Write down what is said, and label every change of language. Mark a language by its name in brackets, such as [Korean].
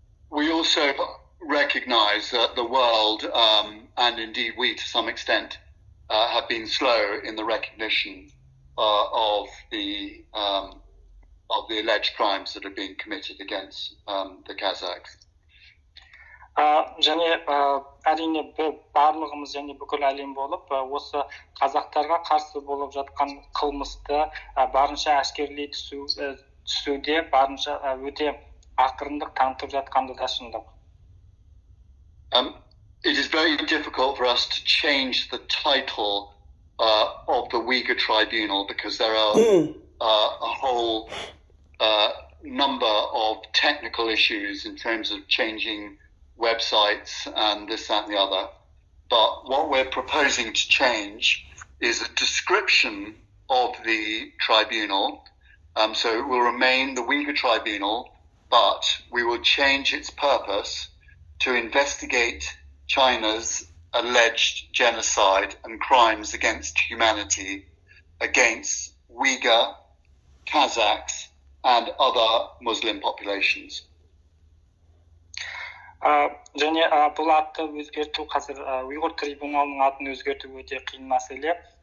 [English] We also recognize that the world, and indeed we to some extent, have been slow in the recognition of the alleged crimes that are being committed against the Kazakhs. [Kazakh] Және әрине барлығымыз және бүкіл әлем болып осы қазақтарға қарсы болып жатқан қылмысты барынша әшкерлей түсуде барынша өте ақырындық танытып жатқанды да шындық. [English] It is very difficult for us to change the title of the Uyghur Tribunal, because there are a whole number of technical issues in terms of changing websites and this, that, and the other. But what we're proposing to change is a description of the tribunal. So it will remain the Uyghur Tribunal, but we will change its purpose to investigate China's alleged genocide and crimes against humanity against Uyghur, Kazakhs, and other Muslim populations. [Kazakh] Және бұл атты өзгерту қазір Uyghur трибуналының атын өзгерту өте қиын мәселе.